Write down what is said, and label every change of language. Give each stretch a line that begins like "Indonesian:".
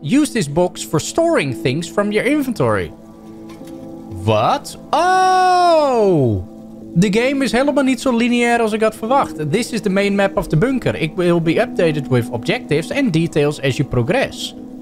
English: Use this box for storing things from your inventory.
Dutch: Wat? Oh!
English: The game
Dutch: is helemaal niet zo lineair als ik had verwacht.
English: This is the main map of the bunker. It will be updated with objectives and details as you progress.